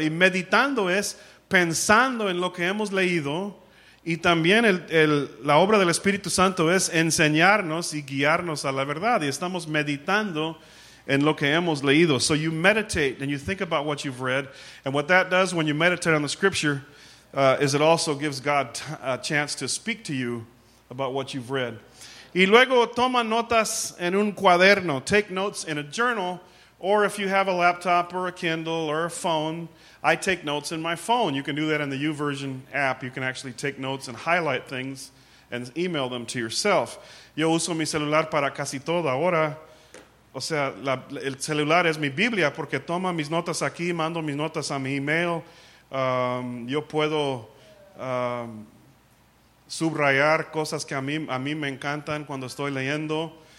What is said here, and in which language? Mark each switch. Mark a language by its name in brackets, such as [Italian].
[Spanish] Y meditando es pensando en lo que hemos leído. Y también la obra del Espíritu Santo es enseñarnos y guiarnos a la verdad. Y estamos meditando en lo que hemos leído. [English] So you meditate and you think about what you've read. And what that does when you meditate on the scripture is it also gives God a chance to speak to you about what you've read. [Spanish] Y luego toma notas en un cuaderno. [English] Take notes in a journal. Or if you have a laptop or a Kindle or a phone, I take notes in my phone. You can do that in the YouVersion app. You can actually take notes and highlight things and email them to yourself. [Spanish] Yo uso mi celular para casi todo ahora. O sea, el celular es mi Biblia porque toma mis notas aquí, mando mis notas a mi email. Yo puedo subrayar cosas que a mí me encantan cuando estoy leyendo.